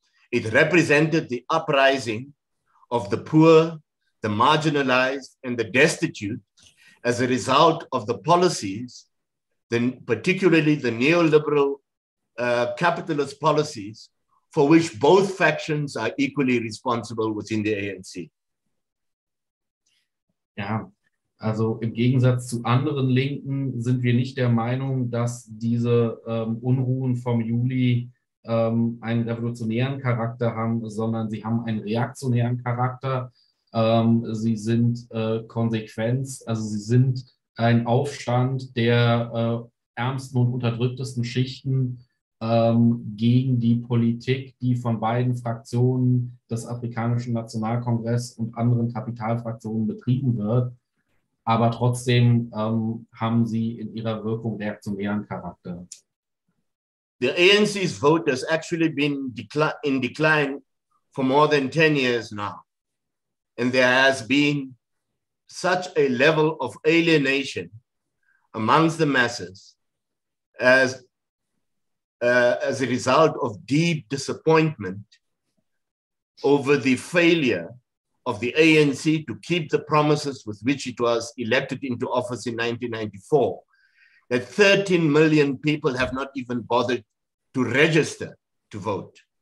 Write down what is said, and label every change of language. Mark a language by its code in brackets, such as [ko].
[en] It represented the uprising of the poor, the marginalized, and the destitute as a result of the policies, particularly the neoliberal capitalist policies, for which both factions are equally responsible within the ANC. [de] Ja, also im Gegensatz zu anderen Linken sind wir nicht der Meinung, dass diese Unruhen vom Juli einen revolutionären Charakter haben, sondern sie haben einen reaktionären Charakter. Sie sind Konsequenz, also sie sind ein Aufstand der ärmsten und unterdrücktesten Schichten gegen die Politik, die von beiden Fraktionen des Afrikanischen Nationalkongresses und anderen Kapitalfraktionen betrieben wird. Aber trotzdem haben sie in ihrer Wirkung reaktionären Charakter. [en] The ANC's vote has actually been in decline for more than 10 years now. And there has been such a level of alienation amongst the masses as a result of deep disappointment over the failure of the ANC to keep the promises with which it was elected into office in 1994, that 13 million people have not even bothered to register to vote.